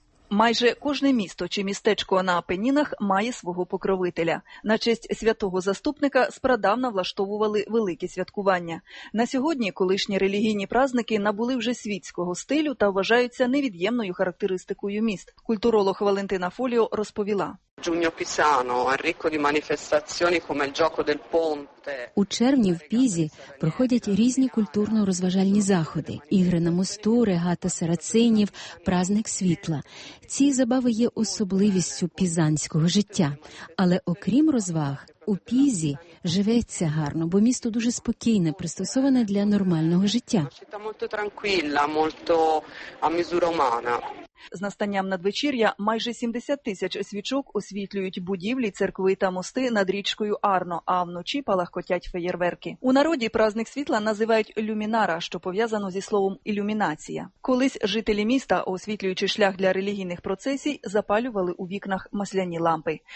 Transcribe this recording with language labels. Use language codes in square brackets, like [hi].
[uk] Майже кожне місто чи містечко на Апенінах має свого покровителя. На честь святого заступника спрадавна влаштовували великі святкування. На сьогодні колишні релігійні праздники набули вже світського стилю та вважаються невід'ємною характеристикою міст. Культуролог Валентина Фоліо розповіла. [it] Giugno pisano è ricco di manifestazioni come il gioco del ponte. [uk] У червні в Пізі проходять різні культурно-розважальні заходи: ігри на мосту, регата сарацинів, праздник світла. Ці забави є особливістю пізанського життя. Але окрім розваг, у Пізі живеться гарно, бо місто дуже спокійне, пристосоване для нормального життя. [it] Città molto tranquilla, molto a misura umana. [uk] З настанням надвечір'я майже 70 тисяч свічок освітлюють будівлі, церкви та мости над річкою Арно, а вночі палахкотять феєрверки. У народі праздник світла називають люмінара, що пов'язано зі словом ілюмінація. Колись жителі міста, освітлюючи шлях для релігійних процесій, запалювали у вікнах масляні лампи.